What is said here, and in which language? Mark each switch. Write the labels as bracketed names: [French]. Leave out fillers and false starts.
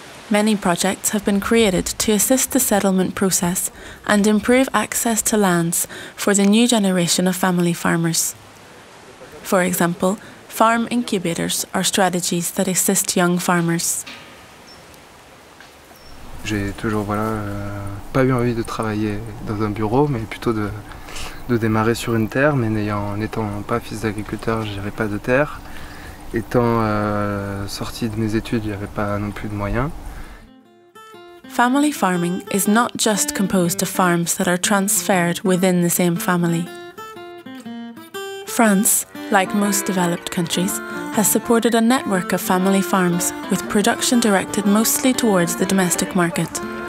[English] Many projects have been created to assist the settlement process and improve access to lands for the new generation of family farmers. For example, farm incubators are strategies that assist young farmers. [French] J'ai toujours pas eu envie de travailler dans un bureau, mais plutôt de démarrer sur une terre, mais n'étant pas fils d'agriculteur, j'avais pas de terre. Étant sorti de mes études, j'avais pas non plus de moyens. [English] Family farming is not just composed of farms that are transferred within the same family. France, like most developed countries, has supported a network of family farms with production directed mostly towards the domestic market.